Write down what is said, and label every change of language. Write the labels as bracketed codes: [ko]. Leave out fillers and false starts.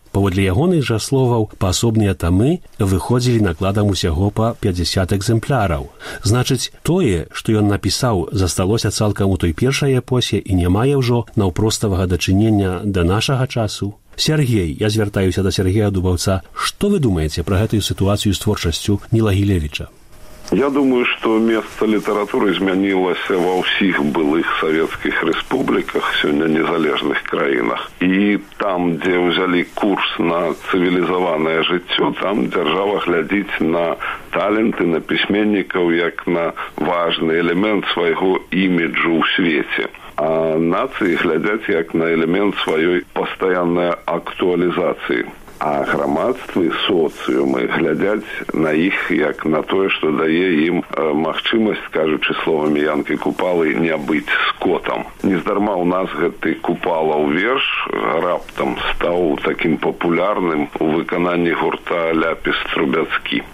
[be] Паводле ягоных жа словаў, паасобныя тамы выходзілі накладам усяго па 50 экземпляраў. Значыць, тое, што ён напісаў, засталося цалкам у той першай эпосе і не мае ўжо наўпроставага дачынення да нашага часу. Сергей, я звяртаюся да Сергея Дубаўца. Што вы думаеце пра гэтую сітуацыю з творчасцю Ніла Гілєвіча? [ru] Я думаю, что место литературы изменилось во всех былых советских республиках, сегодня незалежных краинах. И там, где взяли курс на цивилизованное житё, там держава глядит на таленты, на письменников, как на важный элемент своего имиджа в свете. А нации глядят, как на элемент своей постоянной актуализации. [be] А грамадства, социумы глядяць на іх як на тое, што дае ім магчымасць, кажучы словамі Янкі Купалы, не быць скотам. Нездарма ў нас гэты Купала ў верш раптам стаў такім папулярным у выкананні гурта «Ляпіс Трубяцкі».